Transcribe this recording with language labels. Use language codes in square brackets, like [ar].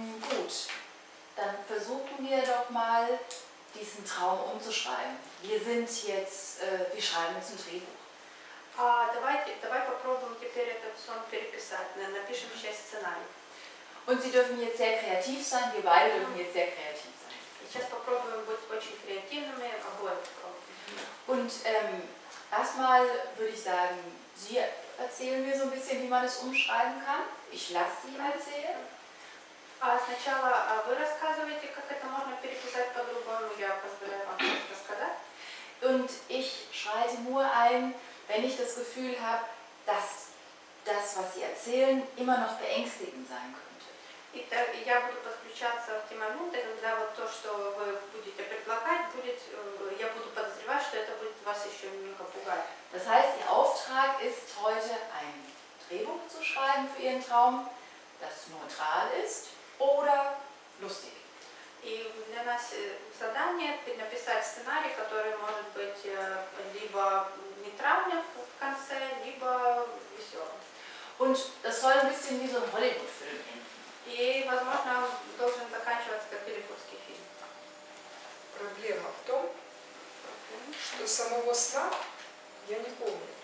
[de] Gut. Dann versuchen wir doch mal diesen Traum umzuschreiben. Wir sind jetzt, wir schreiben jetzt ein Drehbuch. [ru] Давай попробуем теперь это все переписать. Напишем сейчас сценарий. [de] Und Sie dürfen jetzt sehr kreativ sein, wir beide dürfen jetzt sehr kreativ sein. [ru] Сейчас попробуем быть очень креативными, обоим попробуем. [de] Und erstmal würde ich sagen, Sie erzählen mir so ein bisschen, wie man es umschreiben kann. Ich lasse Sie erzählen. [ru] Сначала вы рассказываете, как это можно переписать по-другому, я позволяю вам рассказать. [de] Und ich schreite nur ein, wenn ich das Gefühl habe, dass das, was Sie erzählen, immer noch beängstigend sein könnte. [ru] Я буду подключаться в те моменты, когда вот то, что вы будете предлагать, будет, я буду подозревать, что это будет вас еще немного пугать. [de] Das heißt, Ihr Auftrag ist heute, ein Drehbuch zu schreiben für Ihren Traum, das neutral ist oder lustig. [ru] И для нас задание написать сценарий, который может быть либо нейтральным в конце, либо веселым. [de] Und das soll ein bisschen wie so ein Hollywood-Film enden. [ru] И, возможно, должен заканчиваться как голливудский фильм. Проблема в том, что самого сна я не помню.